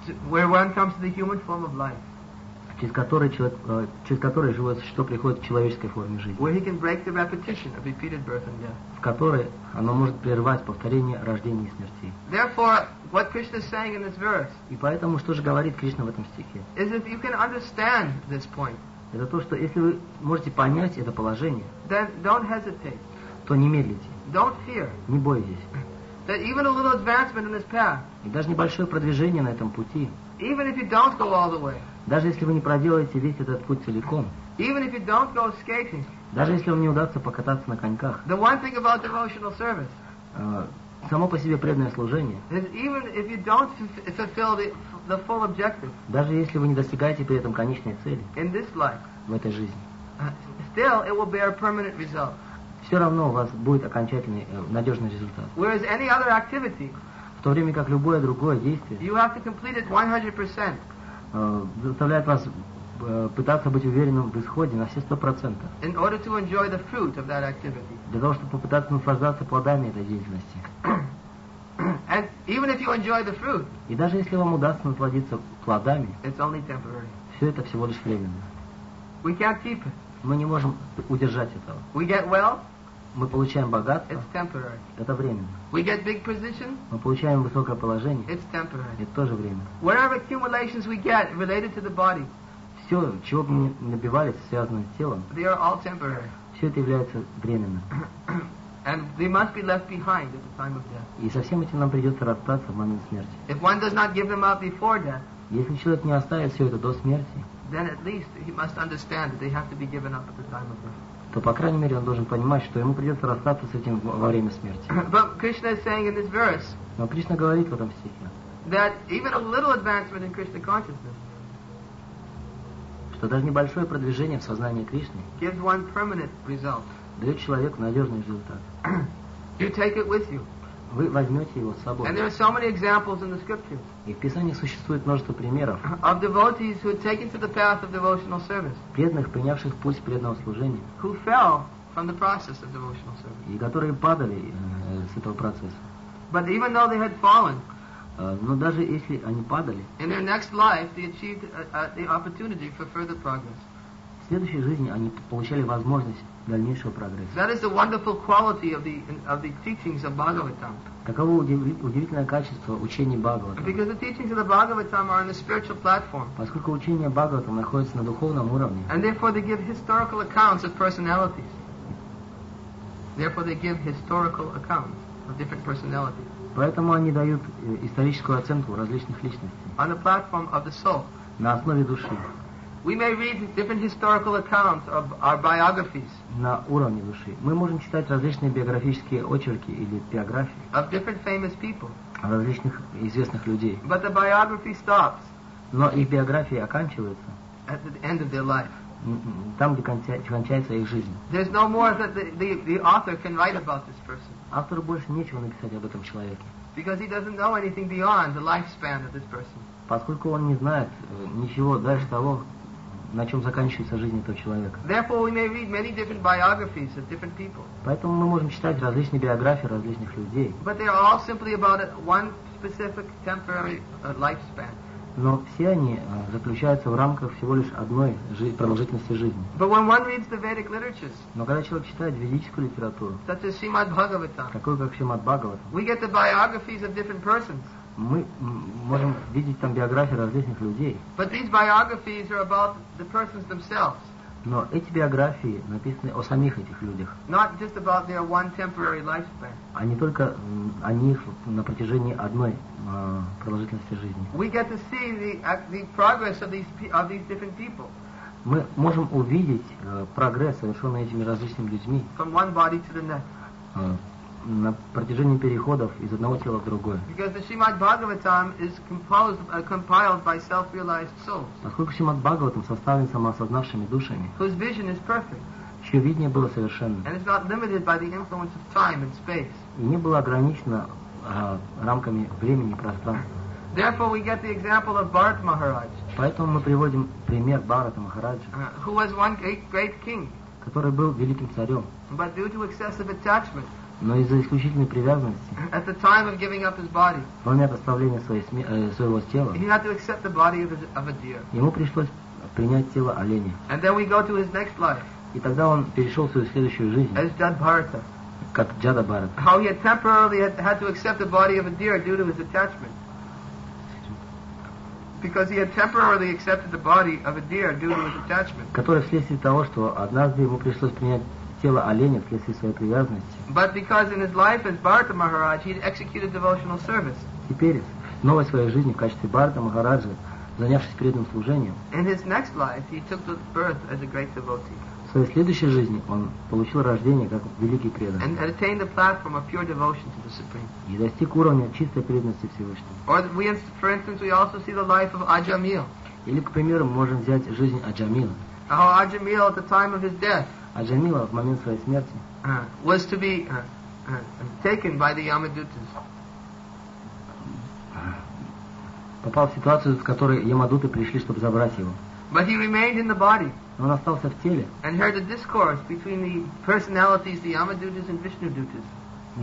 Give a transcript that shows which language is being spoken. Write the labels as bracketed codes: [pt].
[en] Where one comes to the human form of life. [ru] Через который живое существо приходит к человеческой форме жизни. [en] Where he can break the repetition of repeated birth and death. [ru] В которой оно может прервать повторение рождения и смерти. [en] Therefore, what Krishna is saying in this verse. [ru] И поэтому что же говорит Кришна в этом стихе? [en] Is if you can understand this point. [ru] Это то, что если вы можете понять это положение, [en] then don't hesitate. [ru] То не медлите. [en] Don't fear. [ru] Не бойтесь. [en] That even a little advancement in this path. [ru] И даже небольшое продвижение на этом пути. [en] Even if you don't go all the way. [ru] Даже если вы не проделаете весь этот путь целиком. [en] Even if you don't go skating. [ru] Даже если вам не удастся покататься на коньках. [en] The one thing about devotional service. [ru] Само по себе преданное служение. [en] Is even if you don't fulfill the full objective. [ru] Даже если вы не достигаете при этом конечной цели. [en] In this life. [ru] В этой жизни. [en] Still it will bear permanent results. [ru] Все равно у вас будет окончательный, надежный результат. [en] Whereas any other activity. [ru] В то время как любое другое действие. [en] You have to complete it 100%. [ru] Заставляет вас пытаться быть уверенным в исходе на все 100%. [en] In order to enjoy the fruit of that activity. [ru] Для того, чтобы попытаться наслаждаться плодами этой деятельности. [en] And even if you enjoy the fruit. [ru] И даже если вам удастся насладиться плодами. [en] It's only temporary. [ru] Все это всего лишь временно. [en] We can't keep it. [ru] Мы не можем удержать этого. [en] We get well. [ru] Мы получаем богатство. [en] It's temporary. [ru] Это временно. [en] We get big position. [ru] Мы получаем высокое положение. [en] It's temporary. [ru] Это тоже временно. [en] Whatever accumulations we get related to the body. [ru] Все, чего бы мы набивались, связанное с телом. [en] They are all temporary. [ru] Все это является временным. [en] And they must be left behind at the time of death. [ru] И со всем этим нам придется расстаться в момент смерти. [en] If one does not give them up before death. [ru] Если человек не оставит все это до смерти. [en] Then at least he must understand that they have to be given up at the time of death. [ru] То по крайней мере он должен понимать, что ему придется расстаться с этим во время смерти. [en] But Krishna is saying in this verse. [ru] Но Кришна говорит в этом стихе. [en] That even a little advancement in Krishna consciousness. [ru] Что даже небольшое продвижение в сознании Кришны. [en] Gives one permanent result. [ru] Дает человеку надежный результат. [en] You take it with you. [ru] Вы возьмете его с собой. [en] And there are so many examples in the scriptures. [ru] И в Писании существует множество примеров. [en] Of devotees who had taken to the path of devotional service. [ru] Преданных, принявших путь преданного служения. [en] Who fell from the process of devotional service. [ru] И которые падали с этого процесса. [en] But even though they had fallen, [ru] но даже если они падали, [en] in their next life they achieved the opportunity for further progress. [ru] В следующей жизни они получали возможность дальнейшего прогресса. [en] That is the wonderful quality of the teachings of Bhagavatam. [ru] Таково удивительное качество учения Бхагаватам. [en] Because the teachings of the Bhagavatam are on the spiritual platform. [ru] Поскольку учение Бхагаватам находится на духовном уровне. [en] And therefore they give historical accounts of personalities. Therefore they give historical accounts of different personalities. [ru] Поэтому они дают историческую оценку различных личностей. [en] On the platform of the soul. [ru] На основе души. [en] We may read different historical accounts of our biographies. [ru] На уровне души. Мы можем читать различные биографические очерки или биографии. [en] Of different famous people. [ru] Различных известных людей. [en] But the biography stops. [ru] Но их биографии оканчиваются. [en] At the end of their life. [ru] Там, где кончается их жизнь. [en] There's no more that the author can write about this person. [ru] Автору больше нечего написать об этом человеке. [en] Because he doesn't know anything beyond the lifespan of this person. [ru] Поскольку он не знает ничего дальше того, на чем заканчивается жизнь этого человека. [en] Therefore, we may read many different biographies of different people. [ru] Поэтому мы можем читать различные биографии различных людей. [en] But they are all simply about one specific temporary lifespan. [ru] Но все они заключаются в рамках всего лишь одной продолжительности жизни. [en] But when one reads the Vedic literatures, [ru] но когда человек читает ведическую литературу, [en] such as Srimad Bhagavatam, [ru] такую как Srimad Bhagavatam, [en] we get the biographies of different persons. [ru] Мы можем видеть там биографии различных людей. [en] But these biographies are about the persons themselves. [ru] Но эти биографии написаны о самих этих людях. [en] Not just about their one temporary lifespan. [ru] А не только о них на протяжении одной продолжительности жизни. [en] We get to see the progress of these different people. [ru] Мы можем увидеть прогресс, совершенный этими различными людьми. [en] From one body to the next. [ru] На протяжении переходов из одного тела в другое. [en] Because the Srimad Bhagavatam is compiled by self-realized souls. [ru] Поскольку Srimad Bhagavatam составлен самоосознавшими душами. [en] Whose vision is perfect. [ru] Чье видение было совершенно. [en] And it's not limited by the influence of time and space. [ru] И не было ограничено рамками времени и пространства. [en] Therefore, we get the example of Bharat Maharaj. [ru] Поэтому мы приводим пример Бхарата Махараджа. [en] Who was one great king. [ru] Который был великим царем. [en] But due to excessive attachment. [ru] Но из-за исключительной привязанности. [en] At the time of giving up his body. [ru] Во время оставления своего тела. [en] He had to accept the body of a deer. [ru] Ему пришлось принять тело оленя. [en] And then we go to his next life. [ru] И тогда он перешел в свою следующую жизнь. [en] As Jada Bharata. [ru] Как Джада Бхарата. [en] How he had temporarily had to accept the body of a deer due to his attachment. Because he had temporarily accepted the body of a deer due to his attachment. [ru] Который вследствие того, что однажды ему пришлось принять тело оленя вследствие своей привязанности. [en] But because in his life as Bharata Maharaj he had executed devotional service. [ru] Теперь в новой своей жизни в качестве Бхарата Махараджа, занявшись преданным служением. [en] In his next life he took birth as a great devotee. [ru] В своей следующей жизни он получил рождение как великий преданный. [en] And attained the platform of pure devotion to the Supreme. [ru] И достиг уровня чистой преданности Всевышнему. [en] Or for instance we also see the life of Ajamil. [ru] Или, к примеру, мы можем взять жизнь Аджамила. [en] How Ajamil at the time of his death. [ru] Аджамила в момент своей смерти [en] was to be taken by the Yamadutas. [ru] Попал в ситуацию, в которой Ямадуты пришли, чтобы забрать его. [en] But he remained in the body. [ru] Он остался в теле. [en] And heard a discourse between the personalities, the Yamadutas and Vishnudutas.